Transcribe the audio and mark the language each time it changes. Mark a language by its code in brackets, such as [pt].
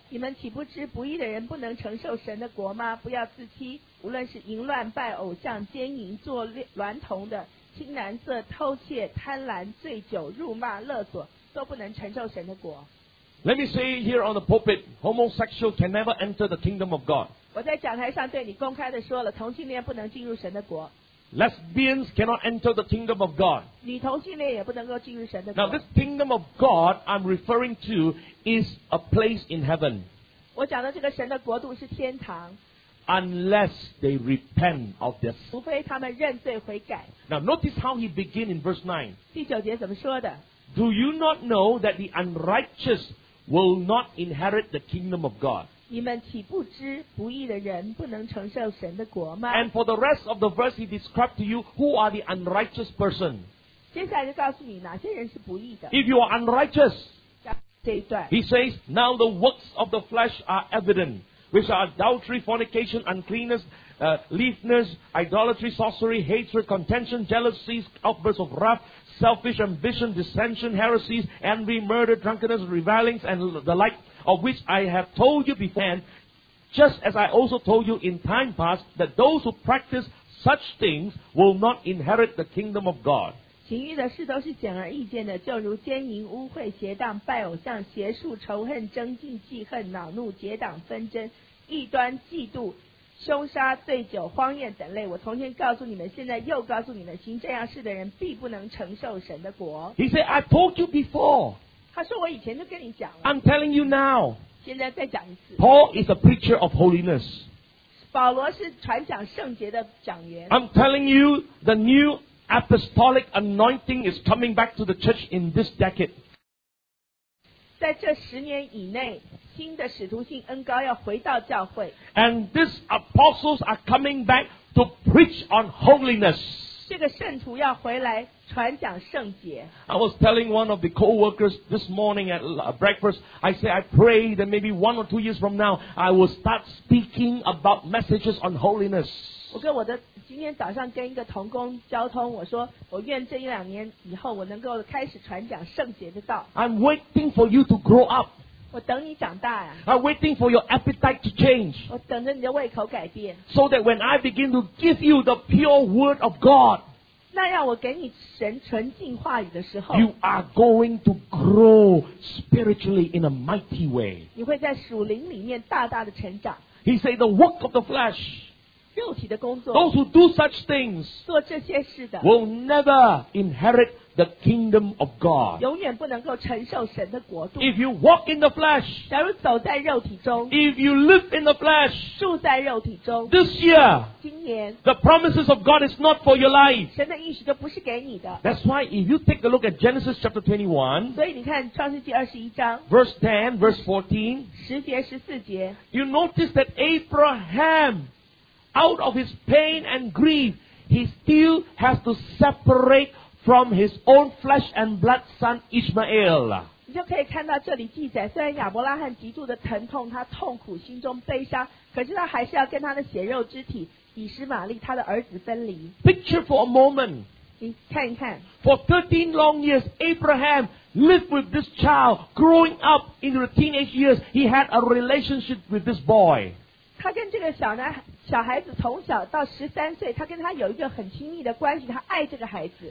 [zh] 你们岂不知不义的人不能承受神的国吗？不要自欺，无论是淫乱、拜偶像、奸淫、做娈童的、青男色、偷窃、贪婪、醉酒、辱骂、勒索，都不能承受神的国。 [en] Let me say here on the pulpit, homosexual can never enter the kingdom of God. [zh] 我在讲台上对你公开的说了，同性恋不能进入神的国。 [en] Lesbians cannot enter the kingdom of God. [zh] 女同性恋也不能够进入神的国。 [en] Now this kingdom of God I'm referring to is a place in heaven. [zh] 我讲的这个神的国度是天堂。 [en] Unless they repent of their sin. [zh] 除非他们认罪悔改。 [en] Now notice how he begins in verse 9. [zh] 第九节怎么说的？ [en] Do you not know that the unrighteous will not inherit the kingdom of God? [zh] 你们岂不知不义的人不能承受神的国吗？ [en] And for the rest of the verse, he described to you who are the unrighteous person. [zh] 接下来就告诉你哪些人是不义的。 [en] If you are unrighteous, [zh] 这一段 [en] he says, now the works of the flesh are evident, which are adultery, fornication, uncleanness, lewdness, idolatry, sorcery, hatred, contention, jealousies, outbursts of wrath, selfish ambition, dissension, heresies, envy, murder, drunkenness, revilings, and the like. Of which I have told you beforehand, just as I also told you in time past, that those who practice such things will not inherit the kingdom of God. [zh] 情欲的事都是显而易见的，就如奸淫、污秽、邪荡、拜偶像、邪术、仇恨、争竞、记恨、恼怒、结党纷争、异端、嫉妒、凶杀、醉酒、荒宴等类。我从前告诉你们，现在又告诉你们，行这样事的人必不能承受神的国。 [en] He said, I told you before. [zh] 他说我以前就跟你讲了。 [en] I'm telling you now. [zh] 现在再讲一次。 [en] Paul is a preacher of holiness. [zh] 保罗是传讲圣洁的讲员。 [en] I'm telling you, the new apostolic anointing is coming back to the church in this decade. [zh] 在这十年以内，新的使徒性恩膏要回到教会。 [en] And these apostles are coming back to preach on holiness. [zh] 这个圣徒要回来传讲圣洁。 [en] I was telling one of the co-workers this morning at breakfast, I said, I pray that maybe one or two years from now, I will start speaking about messages on holiness. [zh] 我跟我的今天早上跟一个同工交通，我说我愿这一两年以后我能够开始传讲圣洁的道。 [en] I'm waiting for you to grow up. [zh] 我等你长大啊。 [en] I'm waiting for your appetite to change. [zh] 我等着你的胃口改变。 [en] So that when I begin to give you the pure word of God, [zh] 那要我给你神纯净话语的时候， [en] you are going to grow spiritually in a mighty way. [zh] 你会在属灵里面大大的成长。 [en] He said the work of the flesh, [zh] 肉体的工作， [en] those who do such things, [zh] 做这些事的， [en] will never inherit. The kingdom of God. [zh] 永远不能够承受神的国度。 [en] If you walk in the flesh, [zh] 假如走在肉体中。 [en] If you live in the flesh, [zh] 住在肉体中。 [en] This year, [zh] 今年。 [en] The promises of God is not for your life. [zh] 神的应许都不是给你的。 [en] That's why if you take a look at Genesis chapter 21, [zh] 所以你看创世纪二十一章。 [en] Verse 10, verse 14, [zh] 十节十四节。 [en] You notice that Abraham, out of his pain and grief, he still has to separate. From his own flesh and blood son Ishmael. [zh] 你就可以看到这里记载，虽然亚伯拉罕极度的疼痛，他痛苦，心中悲伤，可是他还是要跟他的血肉之体以实玛利他的儿子分离。 [en] Picture for a moment. [zh] 你看一看。 [en] For 13 long years, Abraham lived with this child. Growing up in the teenage years, he had a relationship with this boy. [zh] 他跟这个小男孩。小孩子从小到十三岁，他跟他有一个很亲密的关系，他爱这个孩子。